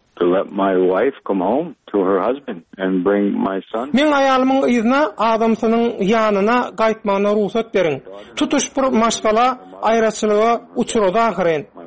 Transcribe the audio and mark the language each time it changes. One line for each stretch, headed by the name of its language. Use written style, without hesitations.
English: To let my wife come home to her husband and bring my son.
Turkmen: Men aýalymyň yzyna adamsynyň ýanyna gaýtmagyna ruhsat berin. Tutuş bir maşgala aýraçylyga uçuroda ahyren.